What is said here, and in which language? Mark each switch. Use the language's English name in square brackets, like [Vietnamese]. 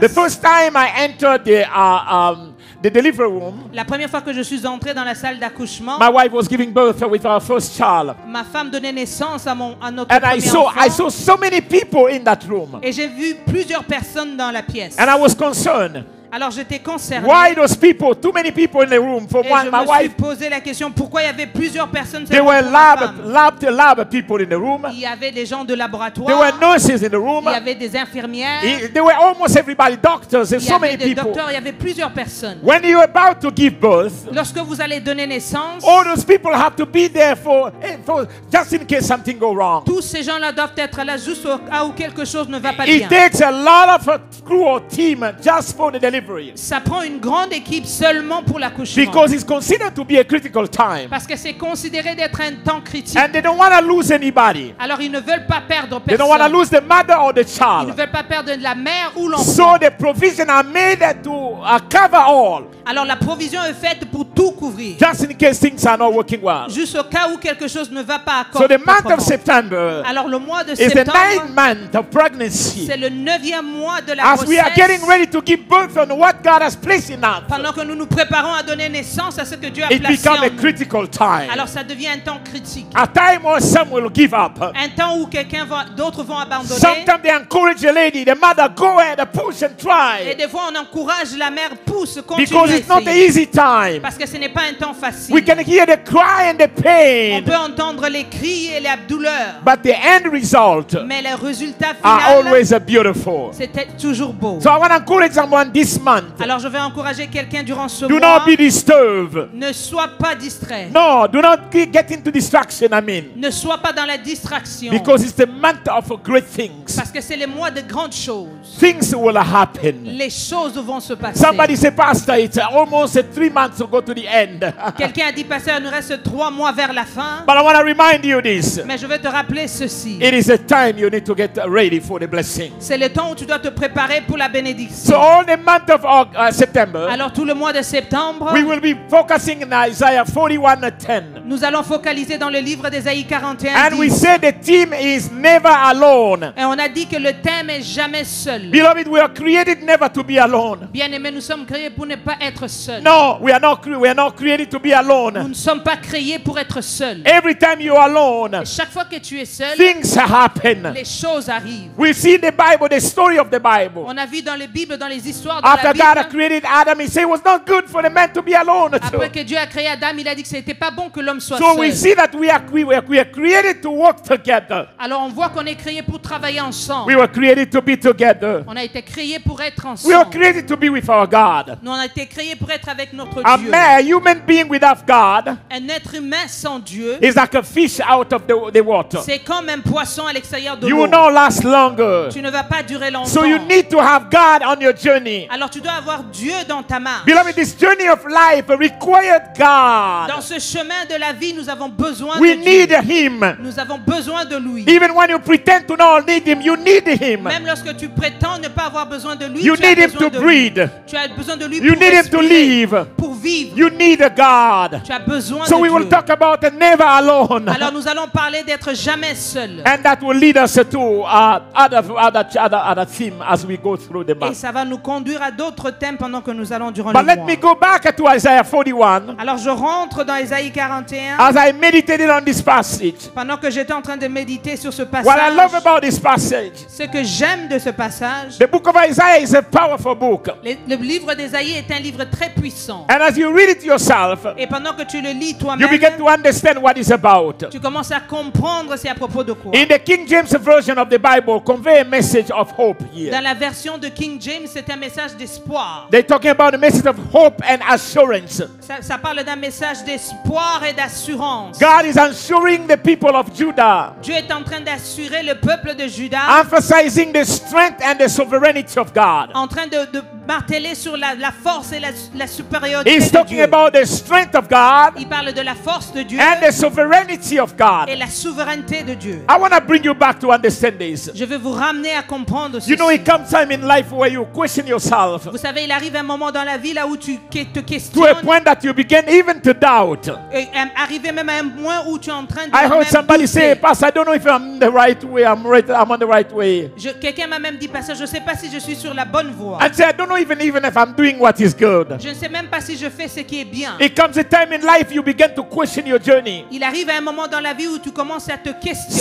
[English] The first time I entered the delivery room. [French] La première fois que je suis entré dans la salle d'accouchement. [English] My wife was giving birth with our first child. [French] Ma femme donnait naissance à notre premier enfant. [English] And I saw so many people in that room. [French] Et j'ai vu plusieurs personnes dans la pièce. [English] And I was concerned. [French] Alors j'étais concerné. [English] Why those people? Too many people in the room for [French] et [English] one. My wife. [French] Et je me suis posé la question pourquoi il y avait plusieurs personnes. [English] There were lab people in the room. [French] Il y avait des gens de laboratoire. [English] There were nurses in the room. [French] Il y avait des infirmières. [English] There were almost everybody doctors. There's so many people. [French] Il y avait des docteurs. Il y avait plusieurs personnes. [English] When you're about to give birth. [French] Lorsque vous allez donner naissance. [English] All those people have to be there for just in case something goes wrong. [French] Tous ces gens-là doivent être là juste au cas où quelque chose ne va pas [English] it It takes a lot of a crew or team just for the delivery. [French] Ça prend une grande équipe seulement pour l'accouchement. [English] Because it's considered to be a critical time. [French] Parce que c'est considéré d'être un temps critique. [English] And they don't want to lose anybody. [French] Alors ils ne veulent pas perdre personne. [English] They don't want to lose the mother or the child. [French] Ils ne veulent pas perdre la mère ou l'enfant. [English] So the provision are made to cover all. [French] Alors la provision est faite pour tout couvrir. [English] Just in case things are not working well. [French] Juste au cas où quelque chose ne va pas. [English] So the month of September. [French] Alors le mois de [English] is [French] septembre. [English] Is the 9th month of pregnancy. [French] C'est le 9e mois de la [English] as As we are getting ready to give birth. What God has placed in us. [French] Pendant que nous nous préparons à donner naissance à ce que Dieu a [English] it [French] placé en nous. [English] It becomes a critical time. [French] Alors ça devient un temps critique. [English] A time when some will give up. [French] Un temps où quelqu'un va, d'autres vont abandonner. [English] Sometimes they encourage the lady, the mother, go ahead, push and try. [French] Et des fois on encourage la mère, pousse, continue. [English] Because it's not an easy time. [French] Parce que ce n'est pas un temps facile. [English] We can hear the cry and the pain. [French] On peut entendre les cris et la douleur. [English] But the end result. [French] Mais le résultat final. [English] Are always beautiful. [French] C'était toujours beau. [English] So I want to encourage someone this. [French] Alors je vais encourager quelqu'un durant ce [English] do [French] mois. [English] Do not be disturbed. [French] Ne sois pas distrait. [English] No, do not get into distraction. I mean. [French] Ne sois pas dans la distraction. [English] Because it's the month of great things. [French] Parce que c'est le mois de grandes choses. [English] Things will happen. [French] Les choses vont se passer. [English] Somebody say, Pastor, it's almost 3 months to go to the end. [French] Quelqu'un a dit, Pasteur, il nous reste 3 mois vers la fin. [English] But I want to remind you this. [French] Mais je vais te rappeler ceci. [English] It is a time you need to get ready for the blessing. [French] C'est le temps où tu dois te préparer pour la bénédiction. [English] So all the month of September. [French] Alors tout le mois de septembre. [English] We will be focusing in Isaiah 41:10. [French] Nous allons focaliser dans le livre d'Ésaïe 41. [English] And we say the theme is never alone. [French] Et on a dit que le thème est jamais seul. [English] Beloved, we are created never to be alone. [French] Bien-aimés, nous sommes créés pour ne pas être seuls. [English] No, we are not created to be alone. [French] Nous ne sommes pas créés pour être seuls. [English] Every time you are alone. [French] Et chaque fois que tu es seul. [English] Things happen. [French] Les choses arrivent. [English] We see in the Bible the story of the Bible. [French] On a vu dans les Bibles dans les histoires. [English] After God created Adam, He said it was not good for the man to be alone. [French] Après que Dieu a créé Adam, il a dit que c'était pas bon que l'homme soit [English] so [French] seul. [English] So we see that we are created to work together. [French] Alors on voit qu'on est créé pour travailler ensemble. [English] We were created to be together. [French] On a été créé pour être ensemble. [English] We were created to be with our God. [French] Nous on a été créé pour être avec notre [English] a [French] Dieu. [English] A human being without God. [French] Un être humain sans Dieu. [English] Is like a fish out of the water. [French] C'est comme un poisson à l'extérieur de l'eau. [English] You will not last longer. [French] Tu ne vas pas durer longtemps. [English] So you need to have God on your journey. [French] Alors tu dois avoir Dieu dans ta marche. [English] Beloved, this journey of life required God. [French] Dans ce chemin de la vie, nous avons besoin [English] we [French] de Dieu. [English] We need Him. [French] Nous avons besoin de lui. [English] Even when you pretend to not need Him, you need Him. [French] Même lorsque tu prétends ne pas avoir besoin de lui, [English] you [French] tu [English] need [French] as [English] him [French] besoin [English] to [French] de [English] breathe. [French] Lui. Tu as besoin de lui [English] you [French] pour [English] need [French] respirer, [English] him to live. [French] Pour vivre. [English] You need God. [French] Tu as besoin [English] so we [French] Dieu. [English] Will talk about never alone. [French] Alors nous allons parler d'être jamais seul. [English] And that will lead us to other theme as we go through the month. [French] Et ça va nous conduire à d'autres thèmes pendant que nous allons durant [English] but [French] le mois. [English] But let me go back to Isaiah 41. [French] Alors je rentre dans Ésaïe 41. [English] As I meditated on this passage. [French] Pendant que j'étais en train de méditer sur ce passage. [English] What I love about this passage. [French] Ce que j'aime de ce passage. [English] The book of Isaiah is a powerful book. [French] Le livre d'Ésaïe est un livre très puissant. [English] And as you read it yourself, [French] et pendant que tu le lis toi-même, [English] you begin to understand what it's about. [French] Tu commences à comprendre c'est à propos de quoi. [English] In the King James version of the Bible, convey a message of hope here. [French] Dans la version de King James, c'est un message d'espoir. [English] They're talking about a message of hope and assurance. [French] Ça parle d'un message d'espoir et d'assurance. [English] God is assuring the people of Judah. [French] Dieu est en train d'assurer le peuple de Juda. [English] Emphasizing the strength and the sovereignty of God. [French] En train de marteler sur la force et la supériorité de Dieu. [English] He's talking about the strength of God. [French] Il parle de la force de Dieu. [English] And the sovereignty of God. [French] Et la souveraineté de Dieu. [English] I want to bring you back to understand this. [French] Je veux vous ramener à comprendre ceci. [English] You know, it comes time in life where you question yourself. [French] Vous savez, il arrive un moment dans la vie là où tu te questionnes. [English] To a point that you begin even to doubt. [French] Et arrivé même à un point où tu es en train de [English] I heard somebody say, Pastor, I don't know if I'm the right way. I'm on the right way. [French] Quelqu'un m'a même dit, Pastor, je ne sais pas si je suis sur la bonne voie. [English] And say, I don't know even if I'm doing what is good. [French] Je ne sais même pas si je fais ce qui est bien. [English] It comes a time in life you begin to question your journey. [French] Il arrive à un moment dans la vie où tu commences à te questionner.